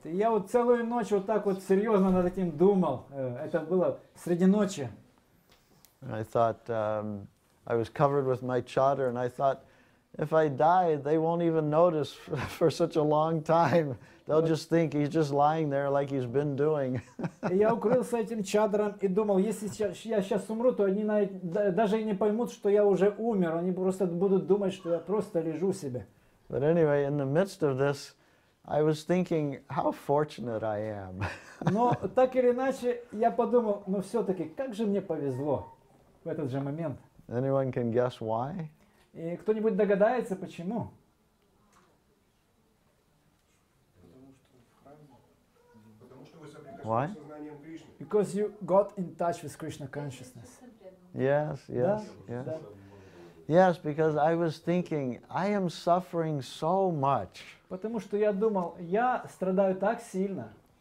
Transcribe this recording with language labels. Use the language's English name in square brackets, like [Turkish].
[Russian] Я вот целую ночь вот так вот серьезно над этим думал. Это было среди ночи. [English] And I thought I was covered with my chadar and I thought if I die they won't even notice for such a long time. They'll just think he's just lying there like he's been doing. [Russian] Я укрылся этим чадром и думал, если я сейчас умру, то они даже и не поймут, что я уже умер. Они просто будут думать, что я просто лежу себе. [English] But anyway, in the midst of this, I was thinking how fortunate I am. [Russian] Но так или иначе, я подумал, но все-таки, как же мне повезло в этот же момент. [English] Anyone can guess why? [Russian] И кто-нибудь догадается, почему? [English] Why? Because you got in touch with Krishna consciousness. Yes, yes, да? Yes. Да. Yes, because I was thinking, I am suffering so much. [Russian] Потому что я думал, я страдаю так сильно.